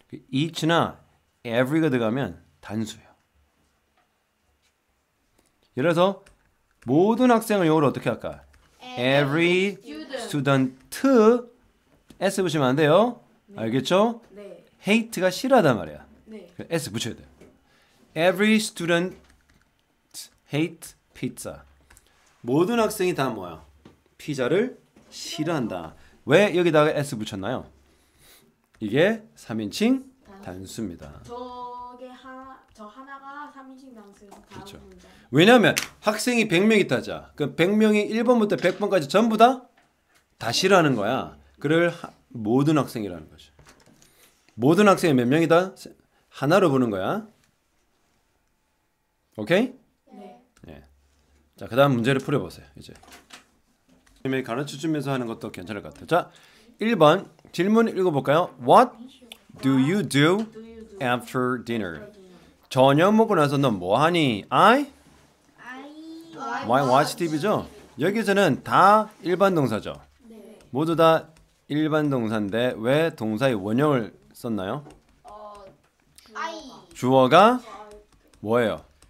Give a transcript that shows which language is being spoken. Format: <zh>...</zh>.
<ko>each나 every가 들어가면 단수예요. 예를 들어서 모든 학생을 영어로 어떻게 할까?</ko> <en>every</en> <ko>student s 붙이면 안 돼요. 네. 알겠죠? 네. hate가 싫어하단 말이야. 네. s 붙여야 돼요.</ko> <en>every student hate pizza.</en> <ko>모든 학생이 다 뭐야? 피자를 싫어한다. 왜 여기다가 S 붙였나요? 이게 3인칭 단수입니다. 저 하나가 3인칭 단수입니다. 그렇죠. 왜냐하면 학생이 100명 있다자. 그 100명이 1번부터 100번까지 전부 다 싫어하는 거야. 그를 모든 학생이라는 거죠. 모든 학생이 몇 명이다? 하나로 보는 거야. 오케이? 네. 예. 자, 그 다음 문제를 풀어보세요. 이제. 선생님이 가르쳐주면서 하는 것도 괜찮을 것 같아요. 자, 1번 질문 읽어볼까요?</ko> <en>What do you do after dinner?</en> <ko>저녁 먹고 나서 너 뭐하니?</ko> <en>I watch TV죠?</en> <ko>여기서는 다 일반 동사죠? 네. 모두 다 일반 동사인데 왜 동사의 원형을 썼나요?</ko> <en>I</en> <ko>주어가 뭐예요?</ko>